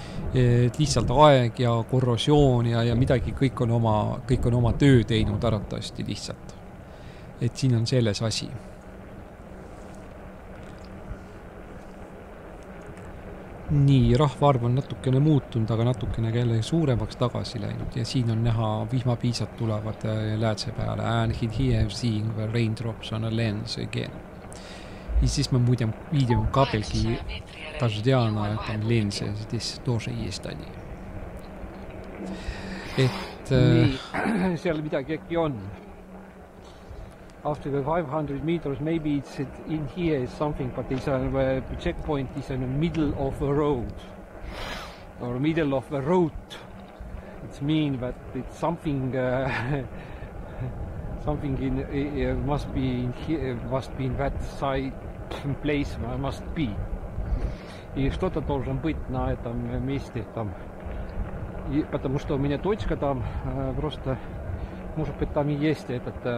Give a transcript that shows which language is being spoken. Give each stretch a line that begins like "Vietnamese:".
Estonian: Et lihtsalt aeg ja korrosioon ja midagi kõik on oma töö teinud arvatavasti lihtsalt. Et siin on selles asi. Nii, rahvaarv on natukene muutunud, aga natukene kelle suuremaks tagasi läinud. Ja siin on näha vihmapiisad tulevad läätse peale.
English: And he has seen the raindrops on a lens again.
Russian: И здесь мы будем видим капельки дождя на этом линзе. Здесь тоже есть они.
Estonian: Seal midagi äkki on.
English: After the 500 meters, maybe it's in here is something, but it's a checkpoint is in the middle of the road. Or middle of the route. It means that it's something something in must be in that side place where it must be.
Russian: И что-то должен быть на этом месте там. И, потому что у меня точка там просто может быть там и есть этот